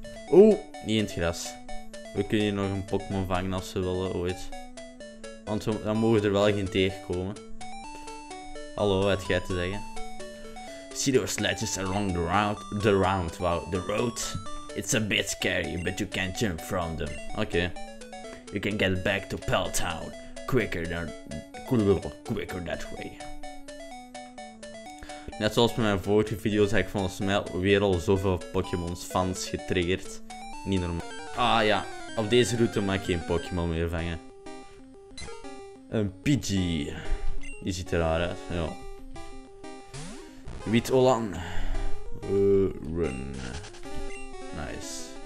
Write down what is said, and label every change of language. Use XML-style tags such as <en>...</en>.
<nl>Oeh, niet in het gras. We kunnen hier nog een Pokémon vangen als ze willen ooit. Want dan mogen we er wel geen tegenkomen. Hallo, wat heb jij te zeggen?</nl> <en>See those ledges along the road? It's a bit scary, but you can jump from them. Okay. You can get back to Peltown quicker that way.</en> <nl>Net zoals bij mijn vorige video's heb ik volgens mij weer al zoveel Pokémon fans getriggerd. Niet normaal. Ah ja, op deze route mag ik geen Pokémon meer vangen. Een Pidgey. Die ziet er raar uit, ja. WIETOLAN.</nl> <en>Run. Nice.</en>